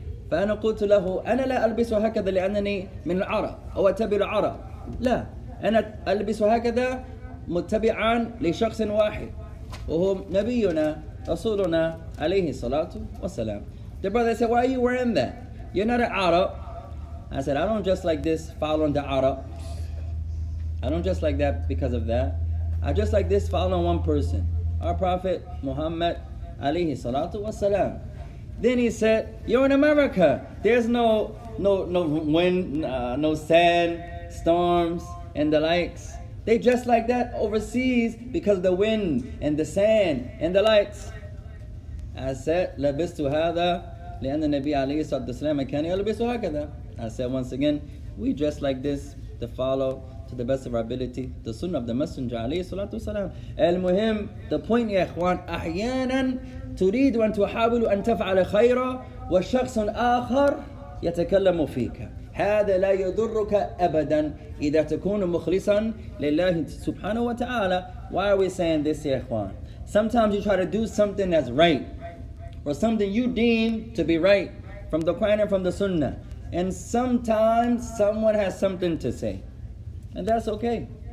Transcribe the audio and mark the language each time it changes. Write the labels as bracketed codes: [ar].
[ar] فانا قلت له انا لا البس هكذا لانني من العرب او اعتبر عرب. لا انا البس هكذا متبعا لشخص واحد وهو نبينا رسولنا عليه الصلاة والسلام. [en] The brother said, why are you wearing that? You're not an Arab. I said, I don't dress like this following the Arab. I don't dress like that because of that. I dress like this following one person, our Prophet Muhammad عليه الصلاة والسلام. Then he said, you're in America. There's no wind, no sand, storms, and the likes. They dress like that overseas because of the wind and the sand and the lights. [ar] I said, لَبِسْتُ هَذَا لِأَنَّ النَّبِيَ عَلَيْهِ صَلَّى السَّلَامَ كَانِي أَلَبِسُ هَكَذَا. [en] I said, once again, we dress like this to follow, to the best of our ability, the sunnah of the Messenger عَلَيْهِ صَلَّى السَّلَامَ. [ar] المهم, [en] the point, [ar] يا إخوان, أحياناً تريد أن تحاول أن تفعل خيراً وشخص آخر يتكلم فيك. هذا لا يضرك أبدا إذا تكون مخلصا لله سبحانه وتعالى. [en] Why are we saying this, يا إخوان? Sometimes you try to do something that's right, or something you deem to be right from the Quran and from the Sunnah. And sometimes someone has something to say. And that's okay.